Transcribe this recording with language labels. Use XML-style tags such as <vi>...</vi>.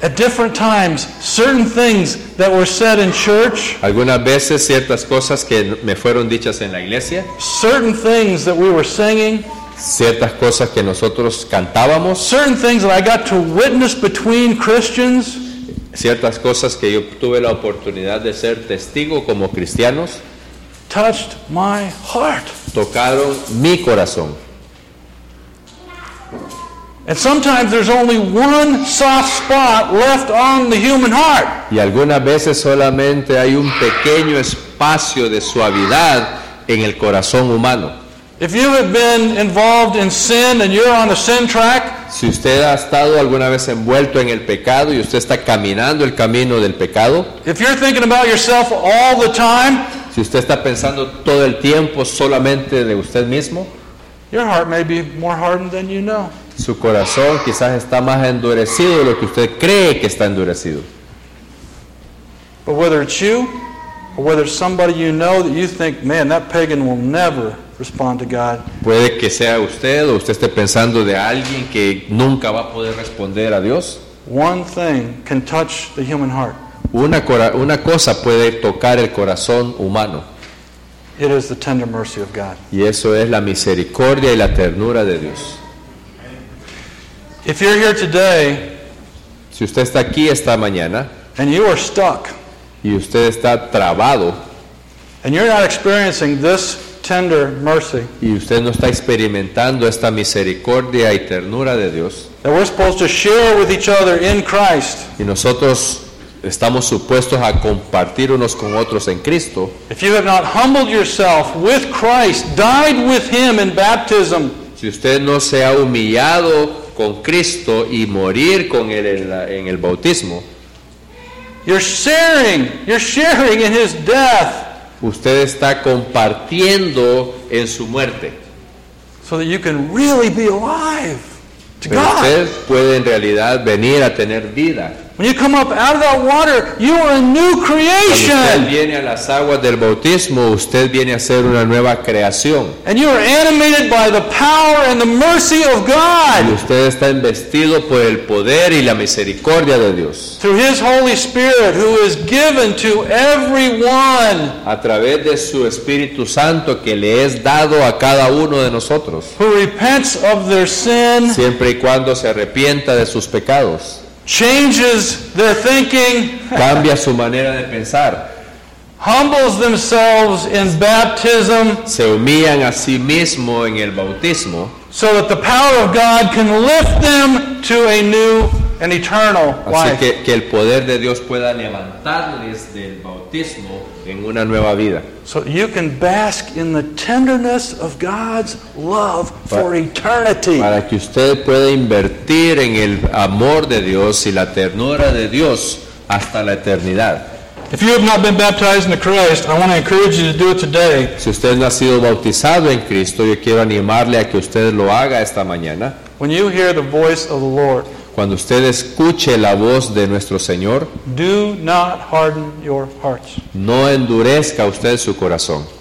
<en>at different times, certain things that were said in church,</en> <es>algunas veces ciertas cosas que me fueron dichas en la iglesia,</es> <en>certain things that we were singing,</en> <es>ciertas cosas que nosotros cantábamos,</es> <en>certain things that I got to witness between Christians,</en> <es>ciertas cosas que yo tuve la oportunidad de ser testigo como cristianos,</es> <en>touched my heart.</en> <es>Tocaron mi corazón.</es> <en>And sometimes there's only one soft spot left on the human heart.</en> <es>Y algunas veces solamente hay un pequeño espacio de suavidad en el corazón humano.</es> <en>If you have been involved in sin and you're on a sin track,</en> <es>si usted ha estado alguna vez envuelto en el pecado y usted está caminando el camino del pecado,</es> <en>if you're thinking about yourself all the time,</en> <es>Si usted está pensando todo el tiempo solamente de usted mismo,</es> <en>your heart may be more hardened than you know.</en> <es>Su corazón quizás está más endurecido de lo que usted cree que está endurecido.</es> <en>But whether it's you or whether it's somebody you know that you think, man, that pagan will never respond to God.</en> <es>Puede que sea usted o usted esté pensando de alguien que nunca va a poder responder a Dios.</es> <en>One thing can touch the human heart.</en> <es>Una cosa puede tocar el corazón humano.</es> <en>It is the tender mercy of God.</en> <es>Y eso es la misericordia y la ternura de Dios.</es> <en>If you're here today,</en> <es>si usted está aquí esta mañana,</es> <en>and you are stuck,</en> <es>y usted está trabado,</es> <en>and you're not experiencing this tender mercy,</en> <es>y usted no está experimentando esta misericordia y ternura de Dios,</es> <en>that we're supposed to share with each other in Christ,</en> <es>y nosotros estamos supuestos a compartir unos con otros en Cristo.</es> <en>If you have not humbled yourself with Christ, died with Him in baptism,</en> <es>si usted no se ha humillado con Cristo y morir con Él en el bautismo,</es> <en>you're sharing in His death,</en> <es>usted está compartiendo en su muerte,</es> <en>so that you can really be alive to God.</en> <es>Pero usted puede en realidad venir a tener vida.</es> <en>When you come up out of that water, you are a new creation.</en> <es>Cuando usted viene a las aguas del bautismo, usted viene a ser una nueva creación.</es> <en>And you are animated by the power and the mercy of God.</en> <es>Y usted está investido por el poder y la misericordia de Dios.</es> <en>Through His Holy Spirit, who is given to everyone.</en> <es>A través de su Espíritu Santo que le es dado a cada uno de nosotros.</es> <en>Who repents of their sin.</en> <es>Siempre y cuando se arrepienta de sus pecados.</es> <en>Changes their thinking.</en> <es>Cambia su manera de pensar.</es> <en>Humbles themselves in baptism.</en> <es>Se humillan a sí mismo en el bautismo.</es> <en>So that the power of God can lift them to a new and eternal life.</en> <es>Así que el poder de Dios pueda levantarles del bautismo en una nueva vida.</es> <en>So you can bask in the tenderness of God's love for eternity.</en> <es>Para que usted pueda invertir en el amor de Dios y la ternura de Dios hasta la eternidad.</es> <en>If you have not been baptized into Christ, I want to encourage you to do it today.</en> <es>Si usted no ha sido bautizado en Cristo, yo quiero animarle a que usted lo haga esta mañana.</es> <en>When you hear the voice of the Lord,</en> <es>cuando usted escuche la voz de nuestro Señor,</es> <en>do not harden your hearts.</en> <es>No endurezca usted su corazón.</es>